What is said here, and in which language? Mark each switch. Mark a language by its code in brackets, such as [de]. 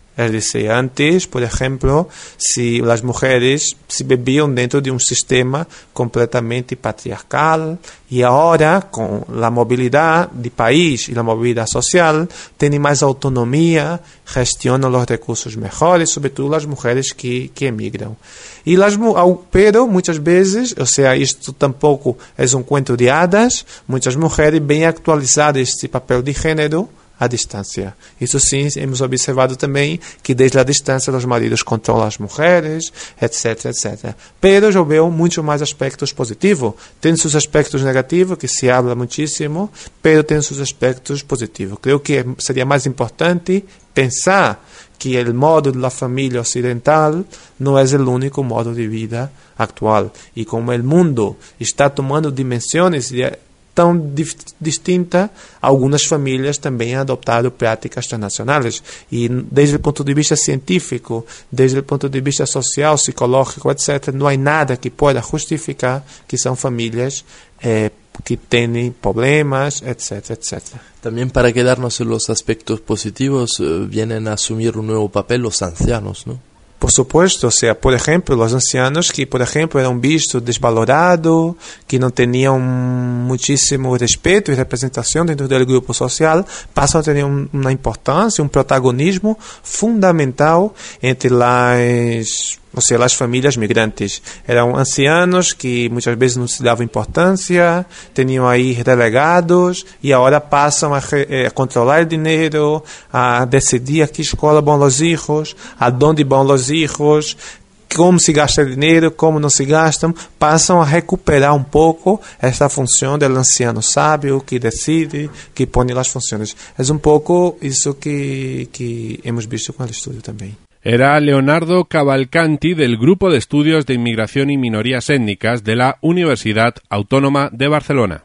[es] Es decir, antes, por ejemplo, si las mujeres se bebían dentro de un sistema completamente patriarcal, y ahora, con la movilidad de país y la movilidad social, tienen más autonomía, gestionan los recursos mejores, sobre todo las mujeres que emigran. Y pero muchas veces, o sea, esto tampoco es un cuento de hadas, muchas mujeres ven actualizado este papel de género a distância. [pt] Isso sim, [es] hemos observado [pt] também que desde a distância os maridos controlam as mulheres, etc, etc. Pero já veo muito mais aspectos positivos. Tem seus aspectos negativos, [es] que se habla [pt] muitíssimo, pero tem seus aspectos positivos. Creio que seria mais importante pensar que o modo da família ocidental não é o único modo de vida atual. E como o mundo está tomando dimensões tão distinta, algumas famílias também adotaram práticas transnacionais. E desde o ponto de vista científico, desde o ponto de vista social, psicológico, etc., não há nada que possa justificar que são famílias que têm problemas, etc., etc. Também [es] para quedarnos en los aspectos positivos, vienen a [pt] assumir um novo papel os ancianos, não? [es] Por supuesto, o sea, por ejemplo, los ancianos que, por ejemplo, eran vistos desvalorados, que no tenían muchísimo respeto y representación dentro del grupo social, pasan a tener una importancia, un protagonismo fundamental entre las famílias migrantes. [pt] Eram ancianos que muitas vezes não se davam importância, tinham aí relegados e agora passam a controlar o dinheiro, a decidir a que escola vão os filhos, a onde vão os filhos, como se gasta dinheiro, como não se gastam, passam a recuperar um pouco esta função do anciano sábio que decide, que põe as funções. É um pouco isso que [es] hemos visto [pt] com o estudo também. [es] Era Leonardo Cavalcanti del Grupo de Estudios de Inmigración y Minorías Étnicas de la Universidad Autónoma de Barcelona.